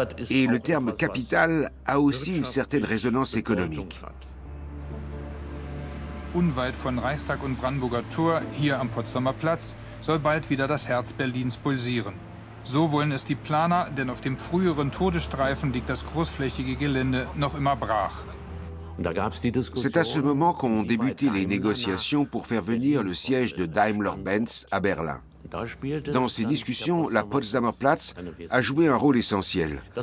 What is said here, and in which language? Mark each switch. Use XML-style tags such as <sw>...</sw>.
<fr>Et le terme « capitale » a aussi une certaine résonance économique.</fr> <de>Unweit von Reichstag und Brandenburger Tor, hier am Potsdamer Platz, soll bald wieder das Herz Berlins pulsieren. So wollen es die Planer, denn auf dem früheren Todesstreifen liegt das großflächige Gelände noch immer brach.</de> <fr>C'est à ce moment qu'ont débuté les négociations pour faire venir le siège de Daimler-Benz à Berlin. Dans ces discussions, la Potsdamer Platz a joué un rôle essentiel.</fr>